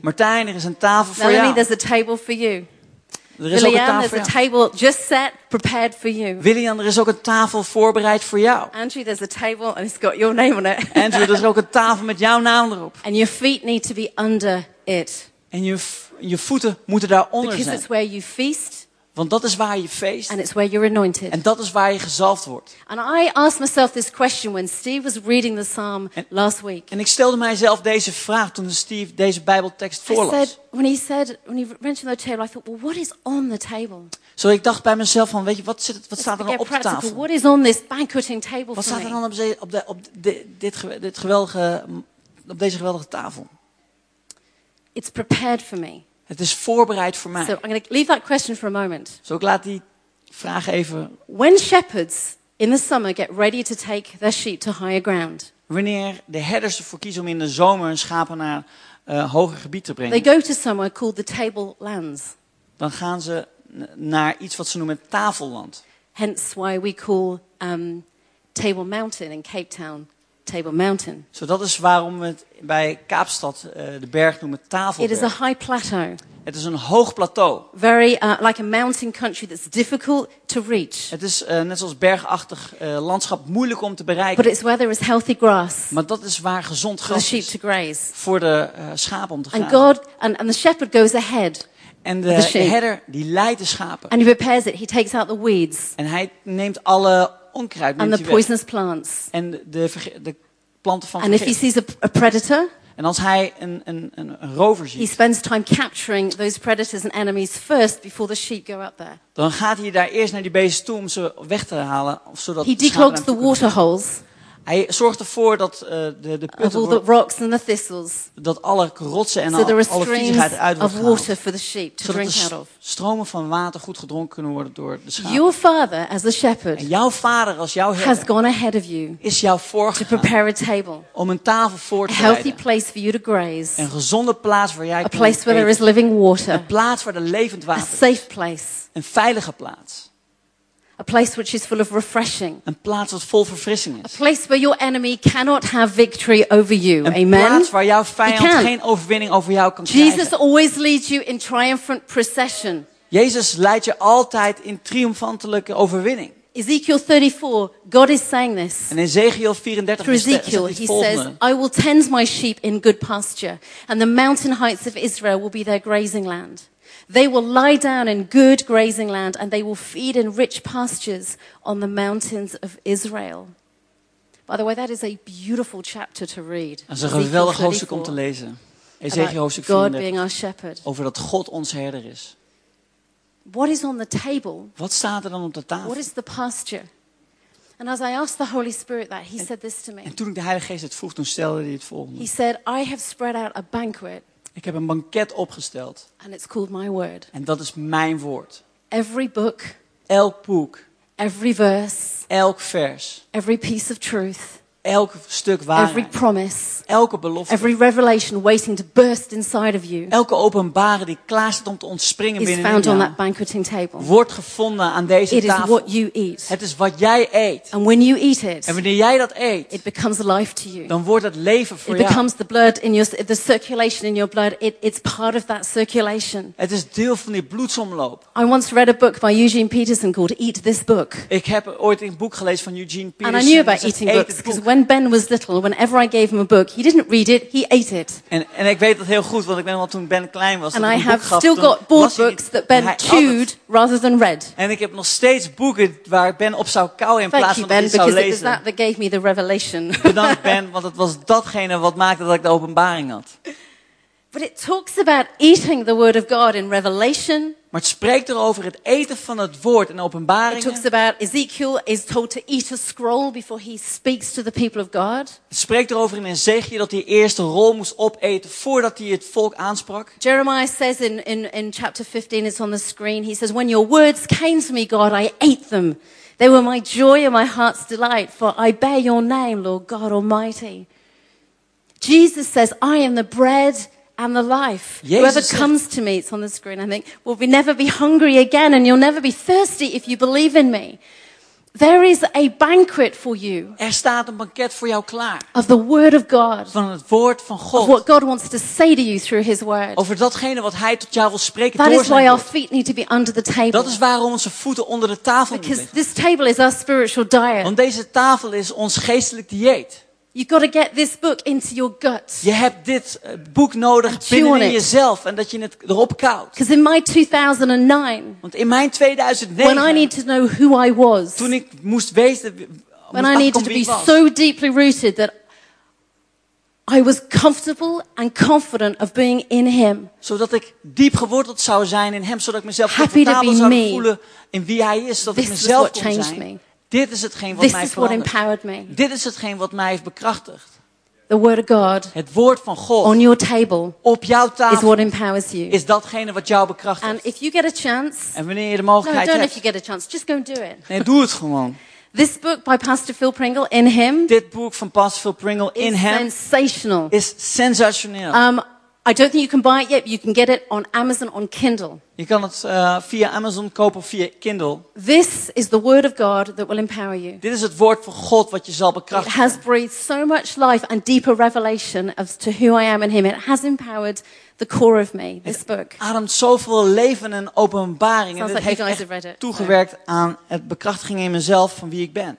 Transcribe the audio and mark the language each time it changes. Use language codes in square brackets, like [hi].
[nl] Martijn, er is een tafel voor Melanie, jou. [en] There's a table for you. [nl] Er is William, ook een tafel, [en] there's a table just set, prepared for you. [nl] William, er is ook een tafel voorbereid voor jou. [en] Andrew, there's a table and it's got your name on it. [nl] Andrew, er is ook een tafel met jouw naam erop. [en] And your feet need to be under it. [nl] En je voeten moeten daaronder [en] because [nl] zijn. [en] It's where you feast, [nl] want dat is waar je feest. [en] And it's where you're anointed. [nl] En dat is waar je gezalfd wordt. [en] And I asked myself this question when Steve was reading the psalm last week. [nl] En ik stelde mijzelf deze vraag toen Steve deze Bijbeltekst voorlas. [en] When he mentioned the table, I thought, well, what is on the table? [nl] Zo ik dacht bij mezelf van, weet je, wat staat er nou op de tafel? [en] What is on this banqueting table? [nl] Wat staat er dan op deze geweldige tafel? [en] It's prepared for me. [nl] Het is voorbereid voor mij. [en] So I'm going to leave that question for a moment. [nl] Zo ik laat die vraag even. [en] When shepherds in the summer get ready to take their sheep to higher ground. [nl] Wanneer de herders ervoor kiezen om in de zomer hun schapen naar hoger gebied te brengen. [en] They go to somewhere called the tablelands. [nl] Dan gaan ze naar iets wat ze noemen tafelland. [en] Hence why we call Table Mountain in Cape Town. Table Mountain. [nl] So dat is waarom we het bij Kaapstad de berg noemen Tafelberg. [en] It is a high plateau. [nl] Het is een hoog plateau. [en] Very like a mountain country that's difficult to reach. [nl] Het is net zoals bergachtig landschap moeilijk om te bereiken. [en] But it's where there is healthy grass. [nl] Maar dat is waar gezond gras [en] is. For the sheep to graze. [nl] Voor de schapen om te grazen. [en] And God and the shepherd goes ahead. [nl] En de herder die leidt de schapen. [en] And he prepares it. He takes out the weeds. [nl] En hij neemt alle onkruid, [en] and the poisonous plants. [nl] En de planten van. [en] And if he sees a predator. [nl] En als hij een rover ziet. [en] He spends time capturing those predators and enemies first before the sheep go out there. [nl] Dan gaat hij daar eerst naar die beesten toe om ze weg te halen, zodat. [en] He declogs the water holes. [nl] Hij zorgt ervoor dat de putten. [en] All the rocks and the thistles. [nl] Dat alle rotsen en [en] so [nl] alle viezigheid uit wordt gehaald. [en] Of water for the sheep to drink out of. [nl] Stromen van water goed gedronken kunnen worden door de schapen. [en] Your father as a shepherd. [nl] En jouw vader als jouw herder. [en] Has gone ahead of you. [nl] Is jou voorgegaan. [en] To prepare a table. [nl] Om een tafel voor te bereiden. [en] A healthy place for you to graze. [nl] Een gezonde plaats waar jij kunt eten. [en] A place where there is living water. [nl] Een plaats waar er levend water is. [en] A safe place. [nl] Een veilige plaats. [en] A place which is full of refreshing. [nl] Een plaats wat vol verfrissing is. [en] A place where your enemy cannot have victory over you. [nl] Een Amen. Plaats waar jouw vijand geen overwinning over jou kan krijgen. [en] Jesus always leads you in triumphant procession. [nl] Jezus leidt je altijd in triomfantelijke overwinning. [en] Ezekiel 34, God is saying this. [nl] En in Ezekiel 34 [en] through Ezekiel, he says, I will tend my sheep in good pasture, and the mountain heights of Israel will be their grazing land. They will lie down in good grazing land and they will feed in rich pastures on the mountains of Israel. By the way, that is a beautiful chapter to read. [nl] Dat is een geweldig hoofdstuk om te lezen. Ezekiel hoofdstuk 34. [en] God being our shepherd. [nl] Over dat God ons herder is. [en] What is on the table? [nl] Wat staat er dan op de tafel? [en] What is the pasture? And as I asked the Holy Spirit that, he said this to me. [nl] En toen ik de Heilige Geest het vroeg, toen stelde hij het volgende. [en] He said, I have spread out a banquet. [nl] Ik heb een banket opgesteld. [en] And it's called my word. [nl] En dat is mijn woord. [en] Every book. [nl] Elk boek. [en] Every verse. [nl] Elk vers. [en] Every piece of truth. [nl] Elk stuk waarheid. [en] Every promise. [nl] Elke belofte. [en] Every revelation waiting to burst inside of you. [nl] Elke openbaring die klaar staat om te ontspringen binnen jou. [en] Is found on that banqueting table. [nl] Wordt gevonden aan deze tafel. [en] It is what you eat. [nl] Het is wat jij eet. [en] And when you eat it. [nl] En wanneer jij dat eet. [en] It becomes life to you. [nl] Dan wordt het leven voor jou. [en] It becomes the blood in your the circulation in your blood. It's part of that circulation. [nl] Het is deel van die bloedsomloop. [en] I once read a book by Eugene Peterson called Eat This Book. [nl] Ik heb ooit een boek gelezen van Eugene Peterson. [en] And I knew about eating books because when Ben was little, whenever I gave him a book, he didn't read it, he ate it. [nl] En ik weet dat heel goed, want ik weet wel toen Ben klein was. [en] And I have still got board books that Ben chewed rather than read. [nl] En ik heb nog steeds boeken waar Ben op zou kauwen in plaats van Ben, dat hij zou lezen. [en] Thank you, Ben, because that gave me the revelation. [nl] Bedankt Ben, want het was datgene wat maakte dat ik de openbaring had. [en] But it talks about eating the word of God in Revelation. [nl] Maar het spreekt erover het eten van het woord in Openbaringen. [en] It talks about Ezekiel is told to eat a scroll before he speaks to the people of God. [nl] Het spreekt erover in Ezekiel dat hij eerst de rol moest opeten voordat hij het volk aansprak. [en] Jeremiah says in chapter 15, it's on the screen. He says, when your words came to me, God, I ate them. They were my joy and my heart's delight, for I bear your name, Lord God Almighty. Jesus says, I am the bread and the life. [nl] Jezus [en] whoever comes to me, it's on the screen, I think, will be never be hungry again, and you'll never be thirsty if you believe in me. There is a banquet for you. [nl] Er staat een banket voor jou klaar. [en] Of the word of God. [nl] Van het woord van God. [en] Of what God wants to say to you through his word. [nl] Over datgene wat hij tot jou wil spreken [en] that [nl] door zijn woord. [en] That is why our feet need to be under the table. [nl] Dat is waarom onze voeten onder de tafel moeten liggen. [en] Because this table is our spiritual diet. [nl] Want deze tafel is ons geestelijk dieet. [en] You got to get this book into your gut. [nl] Je hebt dit boek nodig binnen jezelf en dat je het erop kauwt. [en] Because in my 2009. [nl] Want in mijn 2009. [en] When I needed to know who I was. [nl] Toen ik moest weten. [en] When I needed to be so deeply rooted that I was comfortable and confident of being in him. [nl] Zodat ik diep geworteld zou zijn in hem, zodat ik mezelf comfortabel zou voelen in wie hij is, zodat ik mezelf kon zijn. Dit is hetgeen wat [en] this [nl] mij [en] is what empowered me. [nl] Dit is hetgeen wat mij heeft bekrachtigd. [en] The word of God. [nl] Het woord van God. [en] On your table. [nl] Op jouw tafel. [en] Is what empowers you. [nl] Is datgene wat jou bekrachtigt. [en] And if you get a chance. [nl] En wanneer je de mogelijkheid [en] no, don't [nl] hebt. [en] If you get a chance, just go and do it. [nl] Nee, doe het gewoon. [en] This book by Pastor Phil Pringle, In Him. [nl] Dit boek van Pastor Phil Pringle, In Him. [en] Is sensational. [nl] Is sensationeel. [en] I don't think you can buy it yet, but you can get it on Amazon on Kindle. [nl] Je kan het via Amazon kopen of via Kindle. [en] This is the word of God that will empower you. [nl] Dit is het woord van God wat je zal bekrachtigen. [en] It has breathed so much life and deeper revelation as to who I am in him. It has empowered the core of me, this book. [nl] Het ademt zoveel leven en openbaring. [en] Sounds [nl] en [en] like [nl] het heeft toegewerkt aan het bekrachtigen in mezelf van wie ik ben.